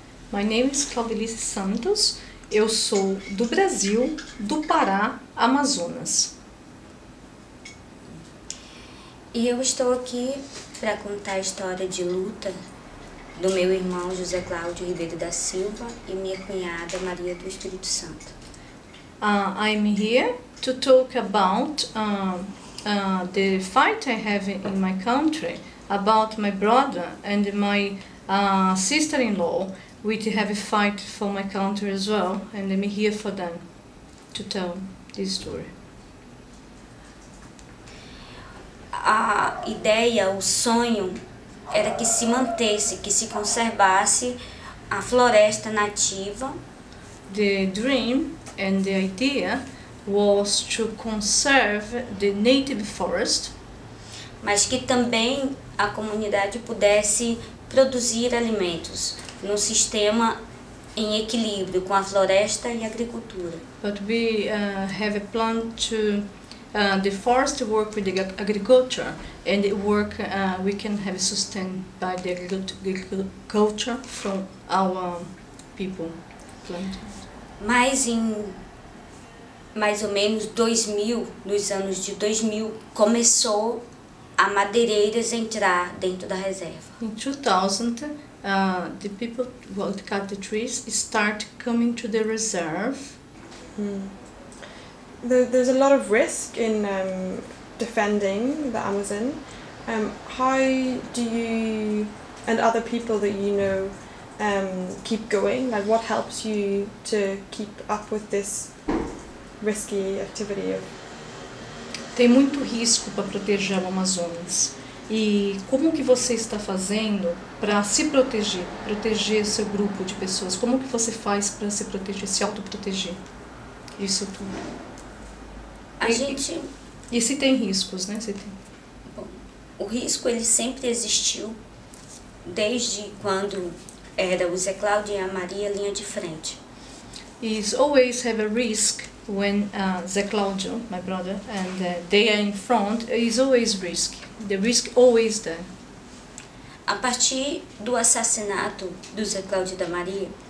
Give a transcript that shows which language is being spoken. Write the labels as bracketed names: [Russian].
[English] My name is Claudelice Santos. [Portuguese] Eu sou do Brasil, do Pará, Amazonas. E eu estou aqui para contar a história de luta do meu irmão José Cláudio Ribeiro da Silva e minha cunhada Maria do Espírito Santo. [English] I'm here to talk about the fight I have in my country about my brother and my sister-in-law, which have a fight for my country as well, and I'm here for them to tell this story. [Portuguese] A ideia, o sonho era que se mantesse, que se conservasse a floresta nativa. [English] The dream and the idea was to conserve the native forest, [Portuguese] Mas que também a comunidade pudesse produzir alimentos num sistema em equilíbrio com a floresta e a agricultura. [English] but we have a plan to the forest work with the agriculture, and the work we can have sustained by the agriculture from our people planting. [Portuguese] Mas em mais ou menos 2000, nos anos de 2000, começou a madeireiras entrar dentro da reserva. [English] In 2000, the people who cut the trees start coming to the reserve. There's a lot of risk in defending the Amazon. How do you and other people that you know keep going? Like, what helps you to keep up with this risky activity of? [Portuguese] Tem muito risco para proteger o Amazonas. E como que você está fazendo para se proteger, proteger seu grupo de pessoas? Como que você faz para se proteger, se autoproteger? Isso tudo. A E gente. se tem riscos, né? Se tem. O risco ele sempre existiu desde quando era o Zé Cláudio e a Maria linha de frente. [English] It's always have a risk. When Zé Cláudio, my brother, and they are in front, is always risk. The risk always there. [Portuguese] A partir do assassinato do Zé Cláudio e da Maria,